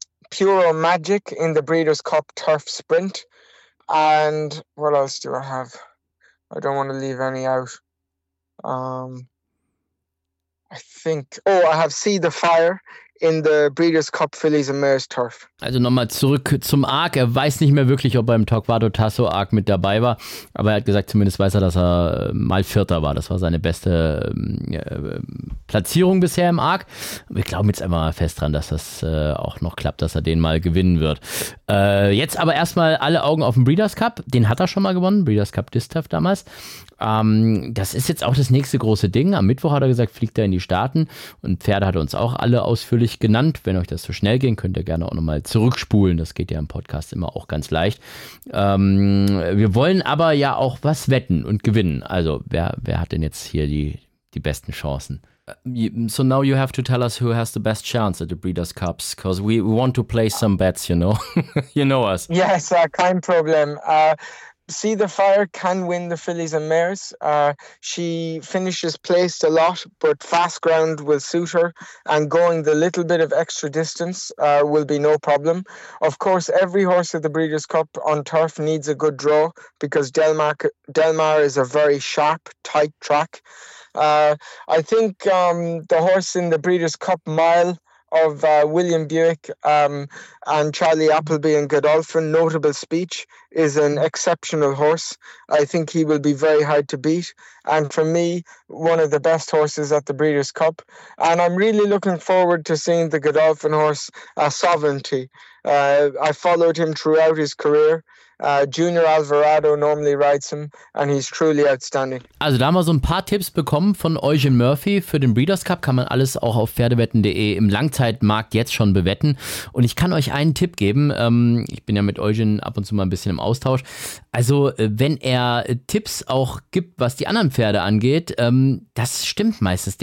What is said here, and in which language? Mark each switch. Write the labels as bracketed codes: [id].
[en] Puro Magic in the Breeders' Cup Turf Sprint. And what else do I have? I don't want to leave any out. I think, oh, I have See the Fire in the Breeders' Cup Fillies and Mares Turf. [de] Also nochmal zurück zum Arc. Er weiß nicht mehr wirklich, ob er im Torquato Tasso Arc mit dabei war. Aber er hat gesagt, zumindest weiß er, dass er mal Vierter war. Das war seine beste Platzierung bisher im Arc. Wir glauben jetzt einfach mal fest dran, dass das auch noch klappt, dass er den mal gewinnen wird. Jetzt aber erstmal alle Augen auf den Breeders' Cup. Den hat er schon mal gewonnen, Breeders' Cup Distaff damals. Das ist jetzt auch das nächste große Ding. Am Mittwoch hat er gesagt, fliegt er in die Staaten. Und Pferde hat er uns auch alle ausführlich genannt. Wenn euch das zu schnell ging, könnt ihr gerne auch nochmal zurückspulen. Das geht ja im Podcast immer auch ganz leicht. Wir wollen aber ja auch was wetten und gewinnen. Also wer hat denn jetzt hier die besten Chancen? [en] So now you have to tell us who has the best chance at the Breeders' Cups, because we want to play some bets, you know. You know us. Yes, [de] kein Problem. [en] See the Fire can win the fillies and mares. She finishes placed a lot, but fast ground will suit her, and going the little bit of extra distance will be no problem. Of course, every horse at the Breeders' Cup on turf needs a good draw, because Delmar is a very sharp, tight track. I think the horse in the Breeders' Cup Mile of William Buick and Charlie Appleby and Godolphin, Notable Speech, is an exceptional horse. I think he will be very hard to beat. And for me, one of the best horses at the Breeders' Cup. And I'm really looking forward to seeing the Godolphin horse, Sovereignty. I followed him throughout his career. Junior Alvarado normally rides him and he's truly outstanding. [de] Also da haben wir so ein paar Tipps bekommen von Eugen Murphy für den Breeders' Cup. Kann man alles auch auf pferdewetten.de im Langzeitmarkt jetzt schon bewetten. Und ich kann euch einen Tipp geben. Ich bin ja mit Eugen ab und zu mal ein bisschen im Austausch. Also wenn er Tipps auch gibt, was die anderen Pferde angeht, das stimmt meistens.